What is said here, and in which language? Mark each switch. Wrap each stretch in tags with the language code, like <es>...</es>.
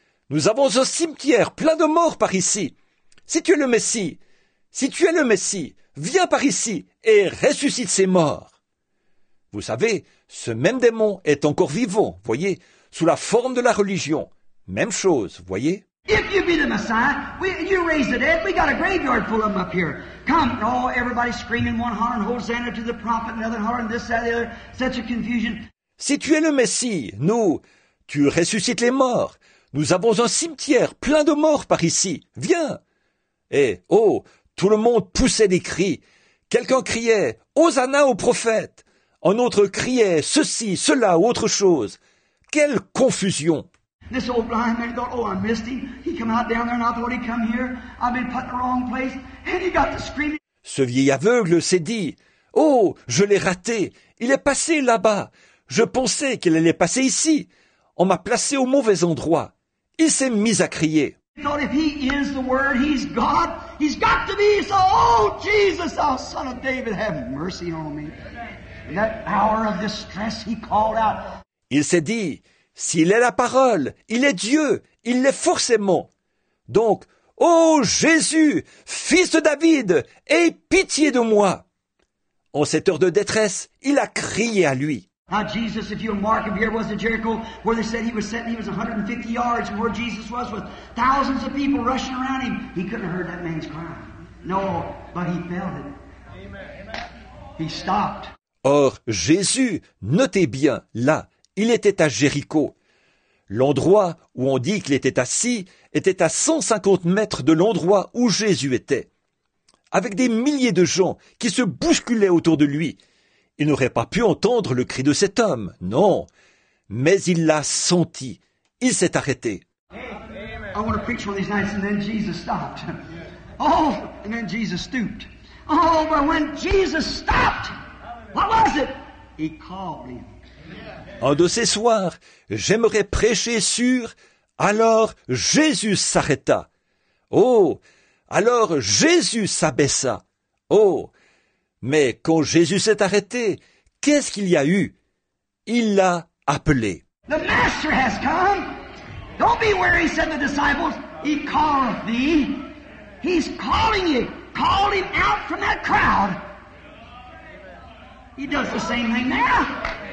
<fr>Nous avons un cimetière plein de morts par ici. Si tu es le Messie, viens par ici et ressuscite ces morts. » Vous savez, ce même démon est encore vivant, voyez, sous la forme de la religion. Même chose, voyez.</fr> <en>If you be the Messiah, you raise the dead. We got a graveyard full of them up here. Come. And all, everybody screaming, one hollering, Hosanna to the prophet, another hollering, this, that, the other. Such a confusion.</en> <fr>Si tu es le Messie, nous, tu ressuscites les morts. Nous avons un cimetière plein de morts par ici. Viens. Et, oh, tout le monde poussait des cris. Quelqu'un criait, Hosanna au prophète. Un autre criait, ceci, cela, autre chose. Quelle confusion.</fr> <en>This old blind man thought, oh, I missed him. He come out down there and I thought he'd come here. I've been put in the wrong place. And he got to screaming.</en> <fr>Ce vieil aveugle s'est dit, oh, je l'ai raté. Il est passé là-bas. Je pensais qu'il allait passer ici. On m'a placé au mauvais endroit. Il s'est mis à crier.</fr> <en>He thought, if he is the word, he's God. He's got to be. So, oh, Jesus, thou son of David, have mercy on me. In that hour of distress, he called out.</en> <fr>Il s'est dit, s'il est la parole, il est Dieu, il l'est forcément. Donc, ô Jésus, fils de David, aie pitié de moi. En cette heure de détresse, il a crié à lui.</fr> <en>Now Jesus, if you mark him, here was the Jericho, where they said he was sitting, he was 150 yards from where Jesus was, with thousands of people rushing around him. He couldn't have heard that man's cry. No, but he felt it. Amen. He stopped.</en> <fr>Or, Jésus, notez bien, là, il était à Jéricho. L'endroit où on dit qu'il était assis était à 150 mètres de l'endroit où Jésus était. Avec des milliers de gens qui se bousculaient autour de lui, il n'aurait pas pu entendre le cri de cet homme, non. Mais il l'a senti. Il s'est arrêté.</fr> <en>I want to preach one of these nights, and then Jesus stopped. Oh, and then Jesus stooped. Oh, but when Jesus stopped, what was it? He called him.</en> <fr>Un de ces soirs, j'aimerais prêcher sur « Alors Jésus s'arrêta ». Oh, alors Jésus s'abaissa. Oh, mais quand Jésus s'est arrêté, qu'est-ce qu'il y a eu? Il l'a appelé.</fr> <en>The master has come. Don't be weary, said the disciples. He calleth thee. He's calling you. Call him out from that crowd. He does the same thing now.</en>